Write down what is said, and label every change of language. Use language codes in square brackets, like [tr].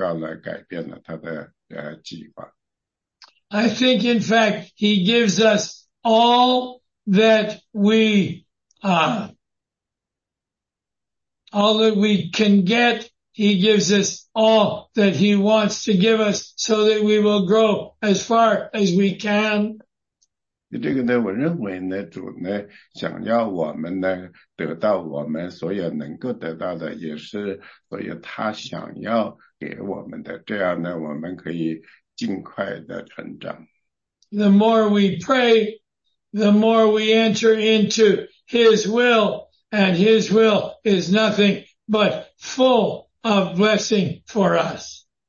[zh] 从那个意义上来讲呢，就是主呢通过回答我们的祷告来改变了他的计划。 [en] I think, in fact, he gives us all that we can get. He gives us all that he wants to give us so that we will grow as far as we can. [zh] 这个呢，我认为呢，主呢，想要我们呢，得到我们所有能够得到的，也是所有他想要给我们的，这样呢，我们可以尽快的成长。 [en] The more we pray, the more we enter into his will, and his will is nothing but full of blessing for us.